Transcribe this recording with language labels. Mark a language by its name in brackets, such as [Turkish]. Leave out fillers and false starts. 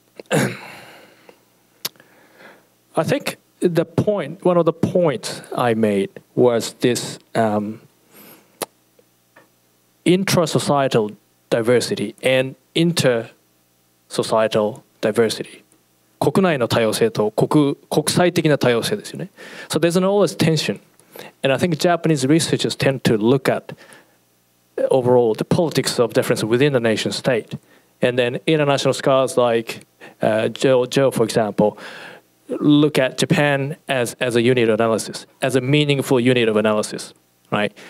[English] I think the point, one of the points I made was this intra-societal diversity and inter-societal diversity. [Japanese] 国内の多様性と国際的な多様性ですよね. [English] So there's an always tension. And I think Japanese researchers tend to look at overall the politics of difference within the nation state. And then international scholars like Joe, for example, look at Japan as a unit of analysis, as a meaningful unit of analysis, right?